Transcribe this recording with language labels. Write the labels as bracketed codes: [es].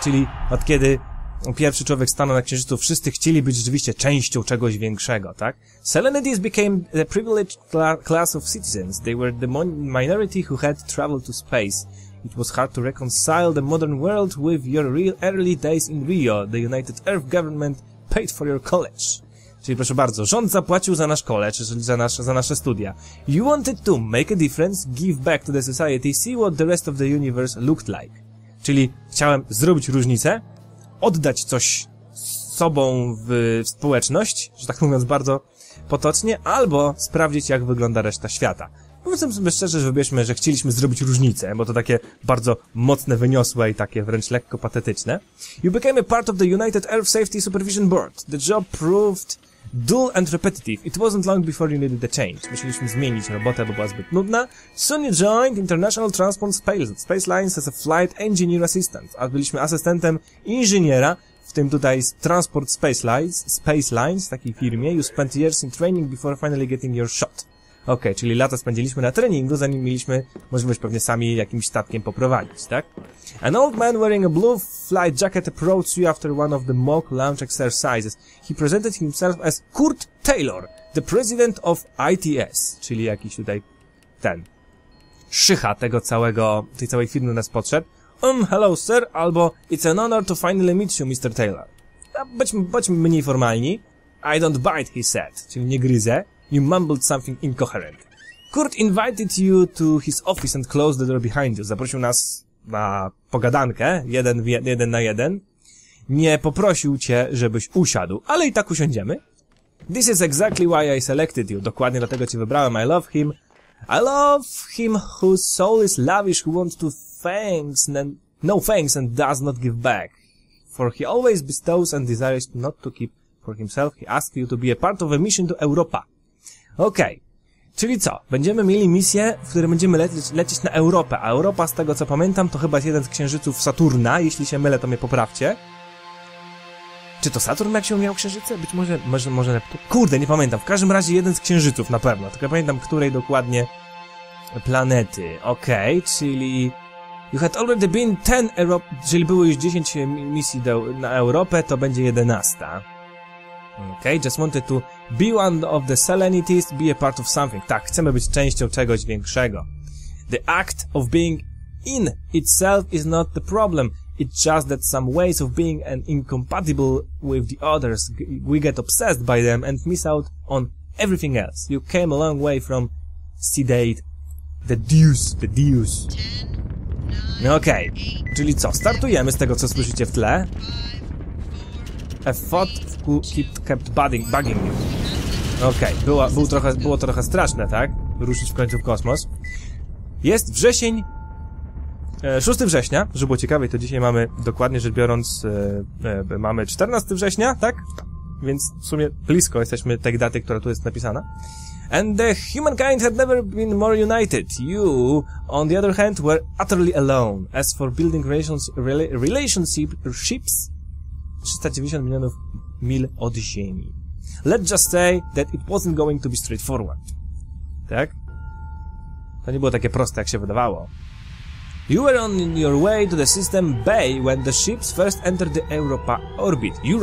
[pl] Czyli od kiedy pierwszy człowiek stanął na księżycu, wszyscy chcieli być rzeczywiście częścią czegoś większego, tak? [en] Selenites became the privileged class of citizens. They were the minority who had traveled to space. It was hard to reconcile the modern world with your real early days in Rio. The United Earth government paid for your college. [pl] Czyli proszę bardzo, rząd zapłacił za nasz college, czyli za nasze studia. [en] You wanted to make a difference, give back to the society, see what the rest of the universe looked like. [pl] Czyli chciałem zrobić różnicę, oddać coś z sobą w społeczność, że tak mówiąc bardzo potocznie, albo sprawdzić, jak wygląda reszta świata. Powiedzmy sobie szczerze, że wybierzmy, że chcieliśmy zrobić różnicę, bo to takie bardzo mocne, wyniosłe i takie wręcz lekko patetyczne. [en] You became a part of the United Earth Safety Supervision Board. The job proved dull and repetitive. It wasn't long before you needed a change. [pl] Musieliśmy zmienić robotę, bo była zbyt nudna. [en] Soon you joined International Transport Space Lines as a flight engineer assistant. [pl] A byliśmy asystentem inżyniera, w tym tutaj z Transport Space Lines, takiej firmie. [en] You spent years in training before finally getting your shot. [pl] Okej, czyli lata spędziliśmy na treningu, zanim mieliśmy możliwość pewnie sami jakimś statkiem poprowadzić, tak? [en] An old man wearing a blue flight jacket approached you after one of the mock launch exercises. He presented himself as Kurt Taylor, the president of ITS, [pl] czyli jakiś tutaj ten szycha tego całego, tej całej firmy nas podszedł. [en] Hello sir, [pl] albo [en] it's an honor to finally meet you, Mr. [pl] Taylor. Bądźmy mniej formalni. [en] I don't bite, he said, [pl] czyli nie gryzę. [en] You mumbled something incoherent. Kurt invited you to his office and closed the door behind you. [pl] Zaprosił nas na pogadankę, jeden na jeden. Nie poprosił cię, żebyś usiadł, ale i tak usiądziemy. [en] This is exactly why I selected you. [pl] Dokładnie dlatego cię wybrałem. [en] I love him. I love him whose soul is lavish, who wants to thanks and no thanks and does not give back. For he always bestows and desires not to keep for himself. He asked you to be a part of a mission to Europa. [pl] Okej, okay. Czyli co? Będziemy mieli misję, w której będziemy lecieć na Europę. A Europa, z tego co pamiętam, to chyba jeden z księżyców Saturna. Jeśli się mylę, to mnie poprawcie. Czy to Saturn, jak się miał księżyce? Być może, może Neptun? Kurde, nie pamiętam. W każdym razie jeden z księżyców na pewno. Tylko pamiętam, której dokładnie planety. Okej, okay, czyli... [en] You had already been 10 Europe... [pl] Czyli było już 10 misji na Europę, to będzie 11. Okej, [en] okay, just wanted to be one of the Selenites, be a part of something. [pl] Tak, chcemy być częścią czegoś większego. [en] The act of being in itself is not the problem. It's just that some ways of being and incompatible with the others, we get obsessed by them and miss out on everything else. You came a long way from sedate the deuce. [pl] Okej, okay. Czyli co, startujemy z tego, co słyszycie w tle. [en] A thought kept bugging you. [pl] Okej, okay. Było trochę straszne, tak? Ruszyć w końcu w kosmos. Jest wrzesień... 6 września, żeby było ciekawiej, to dzisiaj mamy, dokładnie rzecz biorąc, mamy 14 września, tak? Więc w sumie blisko jesteśmy tej daty, która tu jest napisana. [en] And the humankind had never been more united. You, on the other hand, were utterly alone. As for building relationships, 390 [pl] milionów mil od Ziemi. [en] Let's just say that it wasn't going to be straightforward. [pl] Tak? To nie było takie proste, jak się wydawało. [en] You were on your way to the system Bay when the ships first entered the Europa orbit.